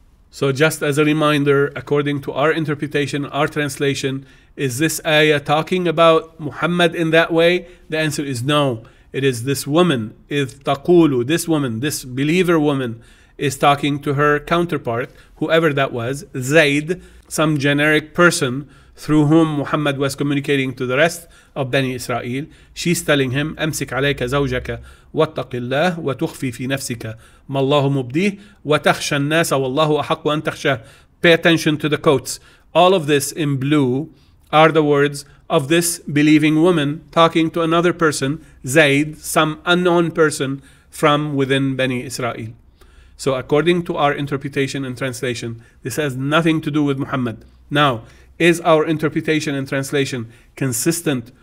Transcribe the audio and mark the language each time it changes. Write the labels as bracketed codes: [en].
[en] So just as a reminder, according to our interpretation, our translation, is this ayah talking about Muhammad in that way? The answer is no. It is this woman, [ar] إِذْ تَقُولُ, [en] this woman, this believer woman, is talking to her counterpart, whoever that was, Zayd, some generic person through whom Muhammad was communicating to the rest of Bani Israel. She's telling him, [ar] أَمْسِكْ عَلَيْكَ زَوْجَكَ وَاتَّقِ اللَّهِ وَتُخْفِي فِي نَفْسِكَ مَا اللَّهُ مُبْدِيهِ وَتَخْشَى النَّاسَ وَاللَّهُ أَحَقُّ أَنْ تَخْشَى. [en] Pay attention to the quotes. All of this in blue are the words of this believing woman talking to another person, Zayd, some unknown person from within Bani Israel. So according to our interpretation and translation, this has nothing to do with Muhammad. Now, is our interpretation and translation consistent